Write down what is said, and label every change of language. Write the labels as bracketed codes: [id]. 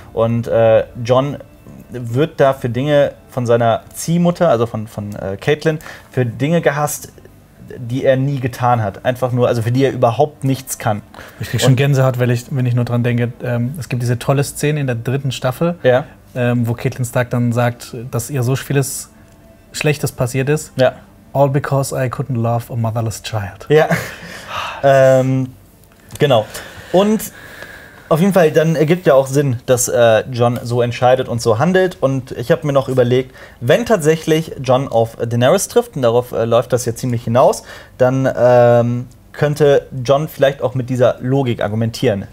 [de] Und Jon wird da für Dinge von seiner Ziehmutter, also von Catelyn, für Dinge gehasst, die er nie getan hat. Einfach nur, also für die er überhaupt nichts kann. Ich krieg schon Gänsehaut, wenn ich nur dran denke, es gibt diese tolle Szene in der dritten Staffel. Ja. Wo Catelyn Stark dann sagt, dass ihr so vieles Schlechtes passiert ist. Ja. [en] All because I couldn't love a motherless child. [de] Ja. genau. Und Auf jeden Fall, dann ergibt ja auch Sinn, dass John so entscheidet und so handelt. Und ich habe mir noch überlegt, wenn tatsächlich John auf Daenerys trifft, und darauf läuft das ja ziemlich hinaus, dann könnte John vielleicht auch mit dieser Logik argumentieren.